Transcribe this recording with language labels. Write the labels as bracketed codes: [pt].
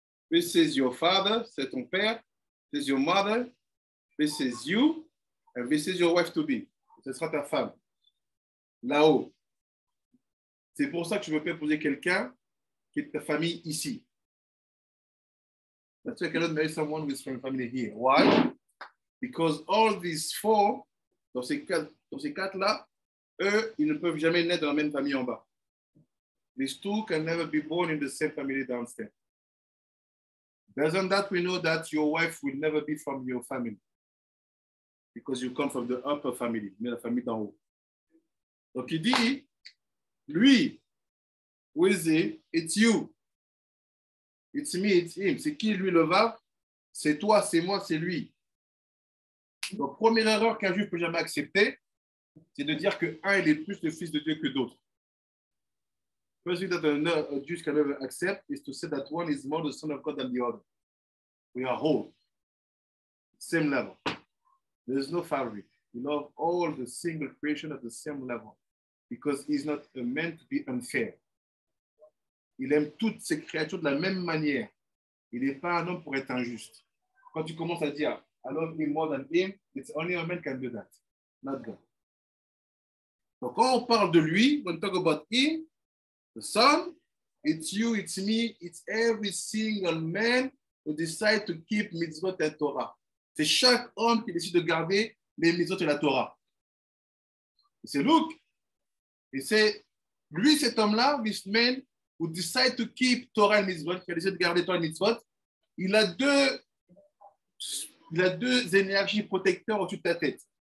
[en] This is your father, [fr] c'est ton père. [en] This is your mother. This is you. And this is your wife to be. [fr] Ce sera ta femme. Là-haut. C'est pour ça que je veux épouser quelqu'un qui est de ta famille ici. [en] That's why I cannot marry someone who is from family here. Why? Because all these four, [fr] dans ces quatre-là, eux, ils ne peuvent jamais naître dans la même famille en bas. [en] These two can never be born in the same family downstairs. Doesn't that we know that your wife will never be from your family? Because you come from the upper family, [fr] mais la famille d'en haut. Donc il dit, lui, [en] who is he? It's you. It's me, it's him. [fr] C'est qui, lui, le va? C'est toi, c'est moi, c'est lui. Donc, première erreur qu'un juif peut jamais accepter, c'est de dire qu'un, il est plus le fils de Dieu que d'autres. [en] First thing that a Jew can never accept is to say that one is more the son of God than the other. We are whole. Same level. There is no family. We love all the single creation at the same level. Because he's not a man to be unfair. [fr] Il aime toutes ses créatures de la même manière. Il n'est pas un homme pour être injuste. Quand tu commences à dire, [en] I love him more than him, it's only a man can do that. Not God. [fr] Donc quand on parle de lui, [en] when we talk about him, the son, it's you, it's me, it's every single man who decides to keep mitzvot and Torah. [fr] C'est chaque homme qui décide de garder les mitzvot et la Torah. C'est Luke. Et c'est lui, cet homme-là, [en] this man, who decide to keep Torah and Mitzvot, [fr] qui a décidé de garder Torah et Mitzvot, il a deux énergies protecteurs au-dessus de ta tête.